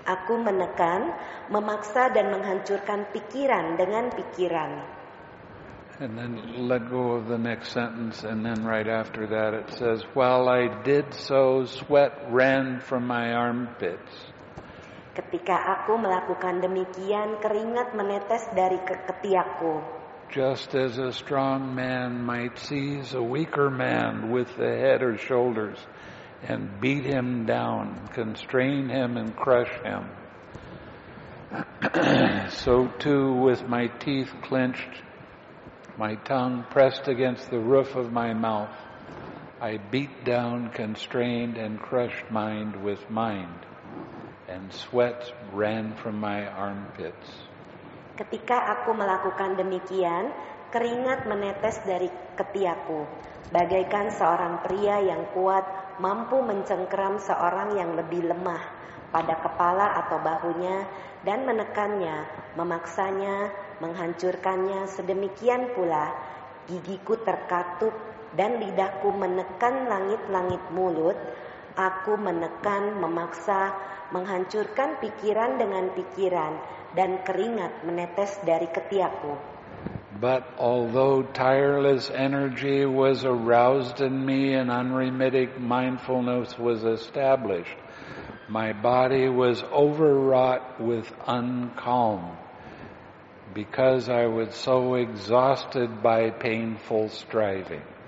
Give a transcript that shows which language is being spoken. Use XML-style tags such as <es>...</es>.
<id>Aku menekan, memaksa, dan menghancurkan pikiran dengan pikiran.</id> <en>And then let go of the next sentence, and then right after that it says, while I did so, sweat ran from my armpits.</en> <id>Ketika aku melakukan demikian, keringat menetes dari ketiakku.</id> <en>Just as a strong man might seize a weaker man with the head or shoulders and beat him down, constrain him and crush him. So too with my teeth clenched, my tongue pressed against the roof of my mouth, I beat down, constrained, and crushed mind with mind, and sweat ran from my armpits.</en> <id>Ketika aku melakukan demikian, keringat menetes dari ketiakku, bagaikan seorang pria yang kuat mampu mencengkeram seorang yang lebih lemah pada kepala atau bahunya dan menekannya, memaksanya, menghancurkannya. Sedemikian pula, gigiku terkatup dan lidahku menekan langit-langit mulut. Aku menekan, memaksa, menghancurkan pikiran dengan pikiran, dan keringat menetes dari ketiakku.</id> <en>But although tireless energy was aroused in me and unremitting mindfulness was established, my body was overwrought with uncalm, because I was so exhausted by painful striving.</en>